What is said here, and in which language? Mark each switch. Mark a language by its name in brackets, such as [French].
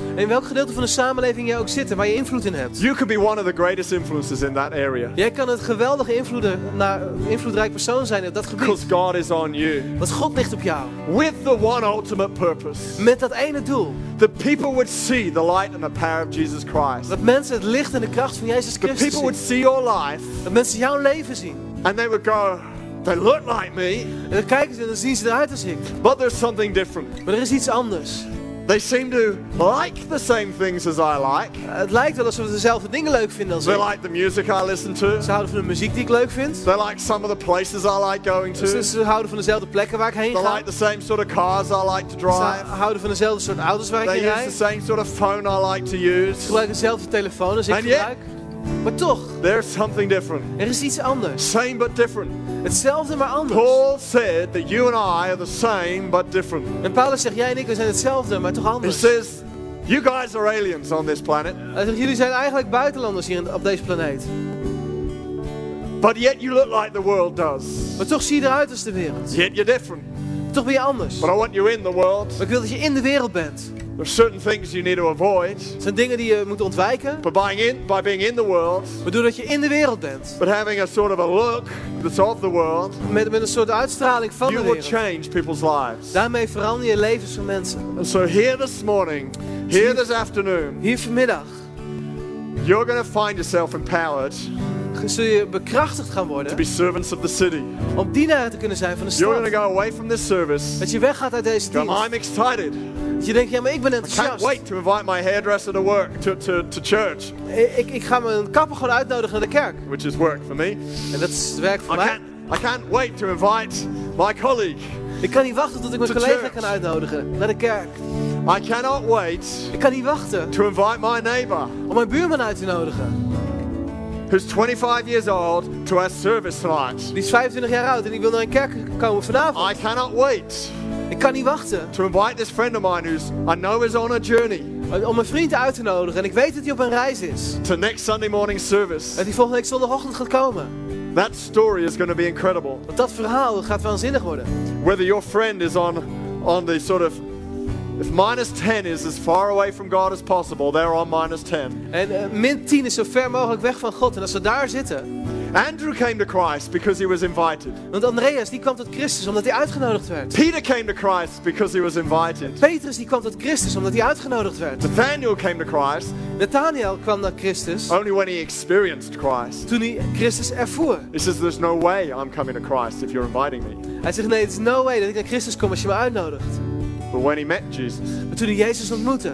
[Dutch] In welk gedeelte van de samenleving jij ook zit en waar je invloed in hebt. [English] You could be one of the greatest influences in that area. [Dutch] Jij kan een geweldige invloedrijk persoon zijn op dat gebied. [English] Because God is on you. [Dutch] Want God ligt op jou. [English] With the one ultimate purpose. [Dutch] Met dat ene doel. [English] That people would see the light and the power of Jesus Christ. [Dutch] Dat mensen het licht en de kracht van Jezus Christus zien. [English] That people would see your life. [Dutch] Dat mensen jouw leven zien. [English] And they would go, they look like me. [Dutch] En dan kijken ze en dan zien ze eruit als ik. [English] But there's something different. [Dutch] Maar er is iets anders. [English] They seem to like the same things as I like. [Dutch] Het lijkt wel alsof ze dezelfde dingen leuk vinden als ik. [English] They like the music I listen to. [Dutch] Ze houden van de muziek die ik leuk vind. [English] They like some of the places I like going to. [Dutch] Ze houden van dezelfde plekken waar ik heen ga. [English] They like the same sort of cars I like to drive. [Dutch] Ze houden van dezelfde soort auto's waar ik heen rijd. [English] They use the same sort of phone I like to use. [Dutch] Ze gebruiken dezelfde telefoon als ik gebruik. Maar toch. [English] There's something different. [Dutch] Er is iets anders. [English] Same but different. [Dutch] Hetzelfde maar anders. [English] Paul said that you and I are the same but different. [Dutch] En Paulus zegt jij en ik we zijn hetzelfde maar toch anders. [English] He says, you guys are aliens on this planet. [Dutch] Hij zegt jullie zijn eigenlijk buitenlanders hier op deze planeet. [English] But yet you look like the world does. [Dutch] Maar toch zie je eruit als de wereld. [English] Yet you're different. [Dutch] Maar toch ben je anders. [English] But I want you in the world. [Dutch] Maar ik wil dat je in de wereld bent. [English] There are certain things you need to avoid. [Dutch] Zijn dingen die je moet ontwijken. [English] But by being in the world. [Dutch] Maar doordat je in de wereld bent. [English] But having a sort of a look that's of the world. [Dutch] Met een soort uitstraling van de wereld. [English] You will change people's lives. [Dutch] Daarmee verander je levens van mensen. [English] And so here this morning, here this afternoon. [Dutch] Hier vanmiddag. [English] You're going to find yourself empowered. [Dutch] Zul je bekrachtigd gaan worden [English] to be servants of the city. [Dutch] Om dienaar te kunnen zijn van de stad. [English] You're going to go away from this service. [Dutch] Dat je weggaat uit deze dienst. [English] I'm excited. [Dutch] Je denkt, ja, maar ik ben enthousiast. [English] I can't wait to invite my hairdresser to work to church. [Dutch] Ik ga mijn kapper gewoon uitnodigen naar de kerk. [English] Which is work for me. [Dutch] En dat is werk voor mij. [English] I can't wait to invite my colleague. [Dutch] Ik kan niet wachten tot ik mijn collega kan uitnodigen naar de kerk. [English] I cannot wait. [Dutch] Ik kan niet wachten. [English] To invite my neighbor. [Dutch] Om mijn buurman uit te nodigen. [English] Who's 25 years old to our service tonight. [Dutch] Die is 25 jaar oud en ik wil naar een kerk komen vanavond. [English] I cannot wait. [Dutch] Ik kan niet wachten. [English] To invite this friend of mine who's I know is on a journey. [Dutch] Om een vriend uit te nodigen en ik weet dat hij op een reis is. [English] To next Sunday morning service. [Dutch] Dat hij volgende week zondagochtend gaat komen. [English] That story is going to be incredible. [Dutch] Want dat verhaal gaat waanzinnig worden. [English] Whether your friend is on the sort of if minus 10 is as far away from God as possible, they're on minus 10. [Dutch] En min 10 is zo ver mogelijk weg van God en als ze daar zitten. [English] Andrew came to Christ because he was invited. [Dutch] Want Andreas die kwam tot Christus omdat hij uitgenodigd werd. [English] Peter came to Christ because he was invited. [Dutch] Petrus die kwam tot Christus omdat hij uitgenodigd werd. [English] Nathaniel came to Christ. [Dutch] Nathaniel kwam naar Christus. [English] Only when he experienced Christ. [Dutch] Toen hij Christus ervoer. [English] He says, "There's no way I'm coming to Christ if you're inviting me." [Dutch] Hij zegt nee, [English] it's no way [Dutch] dat ik naar Christus kom als je me uitnodigt. [English] But when he met Jesus, [Dutch] maar toen hij Jezus ontmoette,